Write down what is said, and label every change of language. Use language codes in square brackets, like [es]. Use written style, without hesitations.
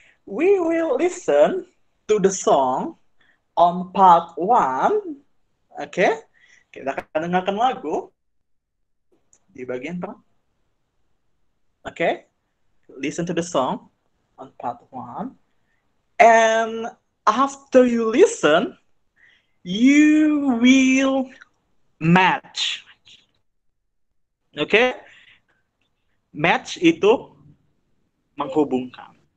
[en] We will listen to the song on part one. [id] Okay, kita akan dengarkan lagu di bagian apa? [en] Okay, listen to the song on part one. And after you listen, you will match. [id] Okay, match itu menghubungkan.